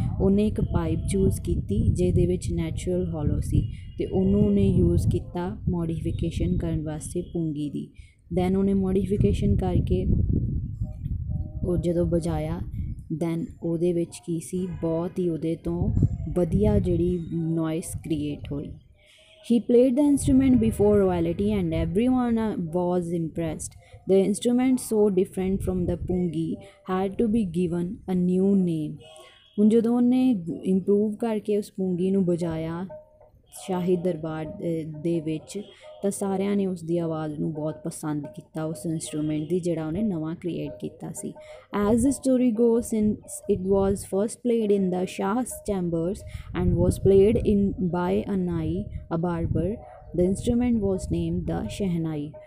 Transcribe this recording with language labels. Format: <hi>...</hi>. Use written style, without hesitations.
<pa>ਉਹਨੇ ਇੱਕ pipe choose ਕੀਤੀ ਜਿਹਦੇ ਵਿੱਚ ਨੈਚੁਰਲ ਹੋਲੋ ਸੀ ਅਤੇ ਉਹਨੂੰ ਉਹਨੇ ਯੂਜ਼ ਕੀਤਾ ਮੋਡੀਫਿਕੇਸ਼ਨ ਕਰਨ ਵਾਸਤੇ ਪੁੰਗੀ ਦੀ ਦੈਨ ਉਹਨੇ ਮੋਡੀਫਿਕੇਸ਼ਨ ਕਰਕੇ ਉਹ ਜਦੋਂ ਵਜਾਇਆ ਦੈਨ ਉਹਦੇ ਵਿੱਚ ਕੀ ਸੀ ਬਹੁਤ ਹੀ ਉਹਦੇ ਤੋਂ ਵਧੀਆ ਜਿਹੜੀ ਨੋਇਸ ਕ੍ਰੀਏਟ ਹੋਈ</pa> <en>He played the instrument before royalty and everyone was impressed. The instrument so different from the pungi had to be given a new name.</en> <pa>ਹੁਣ ਜਦੋਂ ਉਹਨੇ ਇੰਪਰੂਵ ਕਰਕੇ ਉਸ ਪੁੰਗੀ ਨੂੰ ਵਜਾਇਆ ਸ਼ਾਹੀ ਦਰਬਾਰ ਦੇ ਵਿੱਚ ਤਾਂ ਸਾਰਿਆਂ ਨੇ ਉਸਦੀ ਆਵਾਜ਼ ਨੂੰ ਬਹੁਤ ਪਸੰਦ ਕੀਤਾ ਉਸ ਇੰਸਟਰੂਮੈਂਟ ਦੀ ਜਿਹੜਾ ਉਹਨੇ ਨਵਾਂ ਕ੍ਰੀਏਟ ਕੀਤਾ ਸੀ।</pa> <en>As the story go since it was first played in the Shah's chambers and was played in by ਅਨਾਈ a barber the instrument was name the shehnai.</en>